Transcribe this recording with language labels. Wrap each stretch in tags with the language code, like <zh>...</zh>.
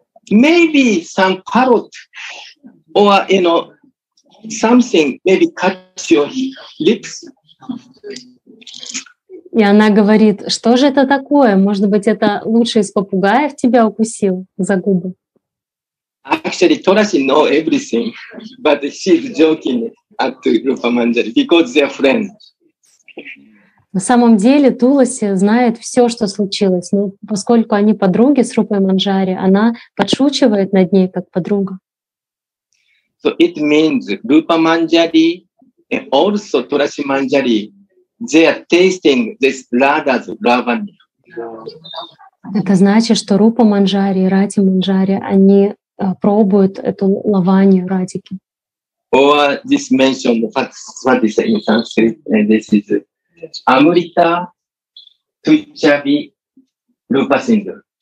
<en>Maybe some carrot or, you know, something maybe cut your lips.</en> <ru>И она говорит: что же это такое? Может быть, это лучший из попугаев тебя укусил за губы?</ru> <en>Actually, Torashi knows everything, but she's joking at Rupa Manjari because they're friends.</en> <ru>На самом деле Туласи знает все, что случилось, но поскольку они подруги с Рупой Манджари, она подшучивает над ней как подруга.</ru> <en>So it means Rupa Manjari and also Torashi Manjari. They are tasting this Radha's lavanya.</en> <ru>Это значит, что Рупа Манджари и Рати Манджари, они пробуют эту лаванью Радики.</ru> <en>Or this mentioned what is in Sanskrit, and this is Amrita Tuichavi Rupa Sindhu.</en>